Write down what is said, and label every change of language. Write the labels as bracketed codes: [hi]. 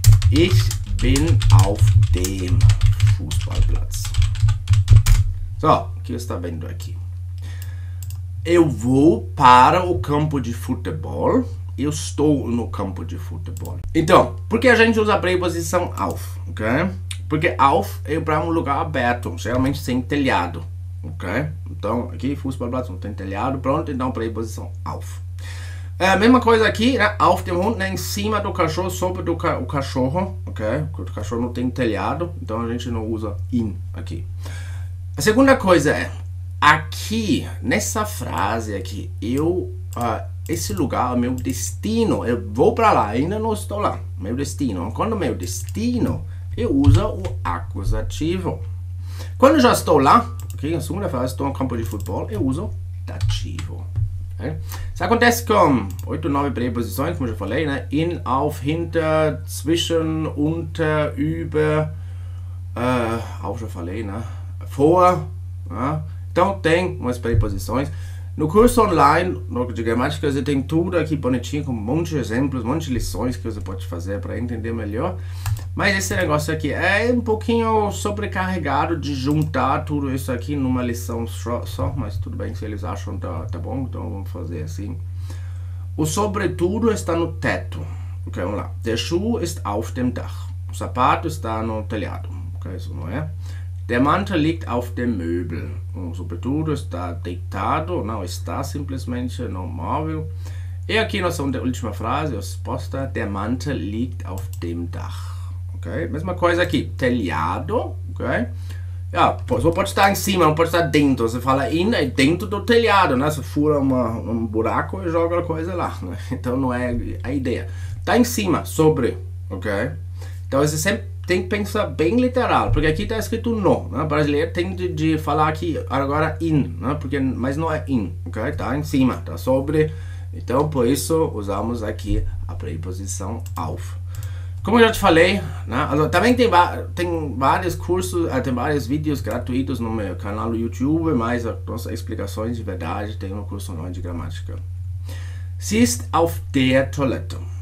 [de] Ich bin auf dem Fußballplatz. [pt] So, aqui está vendo aqui. Eu vou para o campo de futebol. Eu estou no campo de futebol. Então, por que a gente usa a preposição auf, ok? Porque auf é para um lugar aberto, geralmente sem telhado, ok? Então, aqui, Fußballplatz, não tem telhado, pronto, então preposição auf. É a mesma coisa aqui, né? Auf dem Hund, né? Em cima do cachorro, sobre do ca o cachorro, ok? Porque o cachorro não tem telhado, então a gente não usa in aqui. A segunda coisa é. Aqui, nessa frase aqui, esse lugar, meu destino, eu vou para lá, ainda não estou lá. Meu destino. Quando meu destino, eu uso o acusativo. Quando já estou lá, aqui na segunda frase, estou no campo de futebol, eu uso dativo. Okay? Isso acontece com 8, 9 preposições, como eu já falei, né? In, auf, hinter, zwischen, unter, über, auch já falei, né? Vor, né? Então tem umas preposições. No curso online de gramática, você tem tudo aqui bonitinho, com um monte de exemplos, um monte de lições que você pode fazer para entender melhor. Mas esse negócio aqui é um pouquinho sobrecarregado de juntar tudo isso aqui numa lição só, mas tudo bem se eles acham tá bom, então vamos fazer assim. O sobretudo está no teto. Ok, vamos lá. [de] Der Schuh ist auf dem Dach. [pt] O sapato está no telhado. Ok, isso não é? [de] Der Mantel liegt auf dem Möbel. [pt] O sobretudo está deitado, não está simplesmente no móvel. E aqui nossa última frase, a resposta: [de] Der Mantel liegt auf dem Dach. [pt] Okay? Mesma coisa aqui, telhado, ok? A pessoa pode estar em cima, não pode estar dentro. Você fala in, é dentro do telhado, né? Você fura um buraco e joga a coisa lá, né? Então não é a ideia. Tá em cima, sobre, ok? Então você sempre tem que pensar bem literal, porque aqui tá escrito no, né? O brasileiro tem de falar aqui agora in, né? Porque, mas não é in, ok? Tá em cima, tá sobre. Então por isso usamos aqui a preposição auf. Como eu já te falei, né? Também tem vários cursos, tem vários vídeos gratuitos no meu canal do YouTube, mas as nossas explicações de verdade tem no curso online de gramática. [de] Sie ist auf der Toilette.